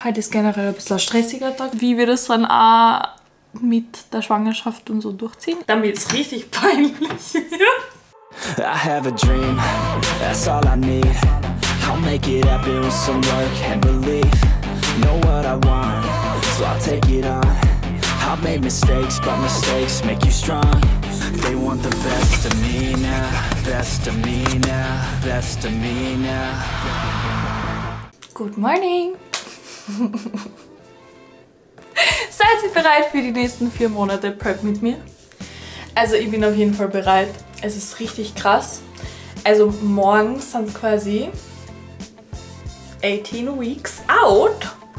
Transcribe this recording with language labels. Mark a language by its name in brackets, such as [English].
[German] Heute ist generell ein bisschen ein stressiger Tag. Wie wir das dann auch mit der Schwangerschaft und so durchziehen. Damit es richtig peinlich wird. [English] I have a dream, that's all I need. I'll make it happen with some work and belief. Know what I want, so I'll take it on. I've made mistakes, but mistakes make you strong. They want the best of me now, best of me now, best of me now. Good morning! [German] Seid ihr bereit für die nächsten 4 Monate Prep mit mir? Also ich bin auf jeden Fall bereit. Es ist richtig krass. Also morgen sind es quasi 18 Weeks out.